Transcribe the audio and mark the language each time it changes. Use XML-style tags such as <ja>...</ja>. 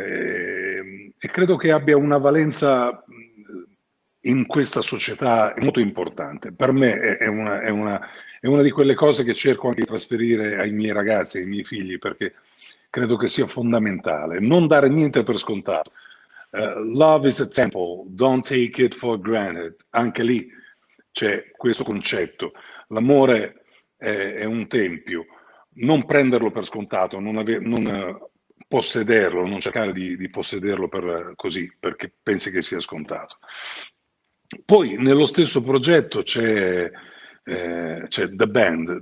<it>E credo che abbia una valenza in questa società molto importante. Per me è una di quelle cose che cerco anche di trasferire ai miei ragazzi, ai miei figli, perché credo che sia fondamentale non dare niente per scontato.</it> <en>Love is a temple, don't take it for granted.</en> <it>Anche lì c'è questo concetto: l'amore è un tempio, non prenderlo per scontato, possederlo, non cercare di possederlo per così, perché pensi che sia scontato. Poi nello stesso progetto c'è The Band.</it>